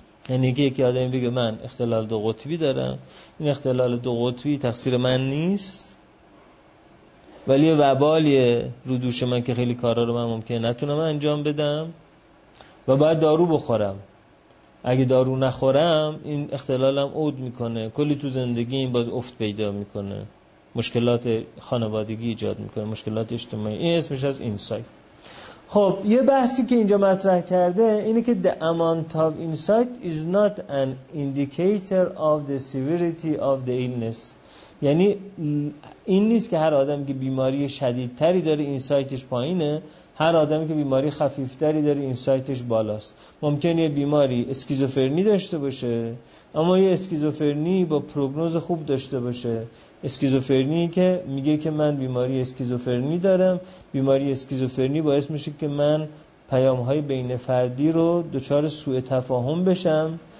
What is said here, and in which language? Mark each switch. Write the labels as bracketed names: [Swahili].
[Persian] یعنی که یکی آدمی بگه من اختلال دو قطبی دارم، این اختلال دو قطبی تقصیر من نیست ولی یه وبالیه رو دوش من که خیلی کارها رو من ممکنه نتونم انجام بدم و باید دارو بخورم، اگه دارو نخورم این اختلالم عود میکنه، کلی تو زندگی این باز افت پیدا میکنه، مشکلات خانوادگی ایجاد میکنه، مشکلات اجتماعی. این اسمش از اینسایت. خب یه بحثی که اینجا مطرح کرده اینه که [English] the amount of insight is not an indicator of the severity of the illness. [Persian] یعنی این نیست که هر آدمی که بیماری شدیدتری داره اینسایتش پایینه، هر آدمی که بیماری خفیفتری داره اینسایتش بالاست. ممکنه یه بیماری اسکیزوفرنی داشته باشه اما یه اسکیزوفرنی با پروگنوز خوب داشته باشه، اسکیزوفرنی که میگه که من بیماری اسکیزوفرنی دارم، بیماری اسکیزوفرنی باعث میشه که من پیام‌های بین فردی رو دچار سوء تفاهم بشم،